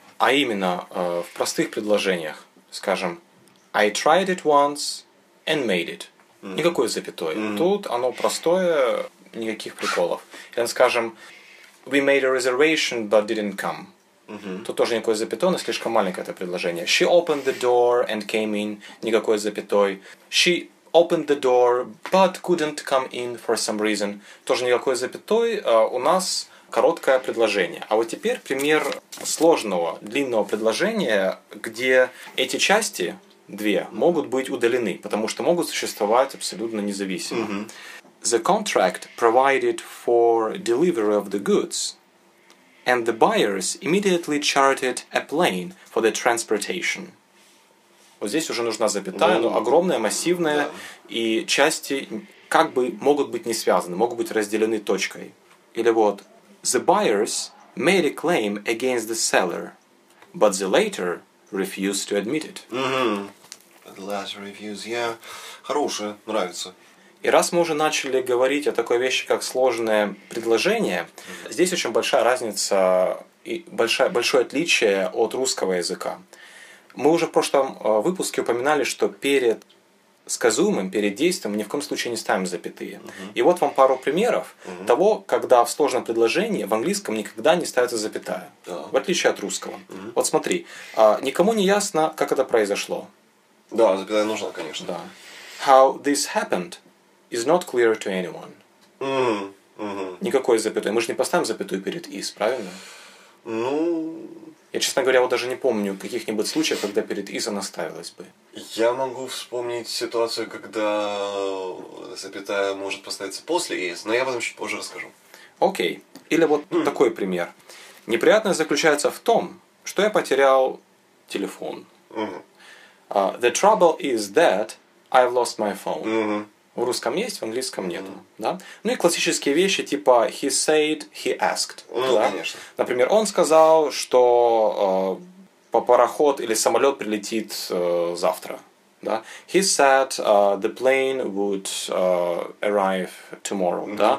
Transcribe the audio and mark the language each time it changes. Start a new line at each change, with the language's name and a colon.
Russian: А именно, в простых предложениях, скажем,
English: I tried it once and made it.
Russian: Mm-hmm. Никакой запятой. Mm-hmm. Тут оно простое, никаких приколов. Или, скажем,
English: we made a reservation but didn't come. Mm-hmm.
Russian: Тут тоже никакой запятой, но слишком маленькое это предложение.
English: She opened the door and came in.
Russian: Никакой запятой.
English: She opened the door but couldn't come in for some reason.
Russian: Тоже никакой запятой. У нас короткое предложение. А вот теперь пример сложного, длинного предложения, где эти части, две, могут быть удалены, потому что могут существовать абсолютно независимо. Mm-hmm.
English: The contract provided for delivery of the goods, and the buyers immediately chartered a plane for the transportation.
Russian: Вот здесь уже нужна запятая, mm-hmm. но огромная, массивная, и части как бы могут быть не связаны, могут быть разделены точкой. Или вот
English: the buyers made a claim against the seller, but the latter refused to admit it. Mm-hmm. The latter refused, yeah.
Russian: Хорошее, нравится. И раз мы уже начали говорить о такой вещи, как сложное предложение, mm-hmm. здесь очень большая разница и большое отличие от русского языка. Мы уже в прошлом выпуске упоминали, что перед сказуемым, перед действием, мы ни в коем случае не ставим запятые. Uh-huh. И вот вам пару примеров uh-huh. того, когда в сложном предложении в английском никогда не ставится запятая. Uh-huh. В отличие от русского. Uh-huh. Вот смотри, никому не ясно, как это произошло. Да, запятая нужна, конечно. Да.
English: How this happened is not clear to anyone. Uh-huh. Uh-huh.
Russian: Никакой запятой. Мы же не поставим запятую перед is, правильно? Ну... Я, честно говоря, вот даже не помню каких-нибудь случаев, когда перед is она ставилась бы. Я могу вспомнить ситуацию, когда запятая может поставиться после is, но я об этом чуть позже расскажу. Окей. Или вот такой пример. Неприятное заключается в том, что я потерял телефон. The trouble is that I've lost my phone. В русском есть, в английском нет. Да? Ну и классические вещи типа
English: he said, he asked.
Russian: Да? Конечно. Например, он сказал, что пароход или самолет прилетит завтра.
English: Да? He said the plane would arrive tomorrow. Да?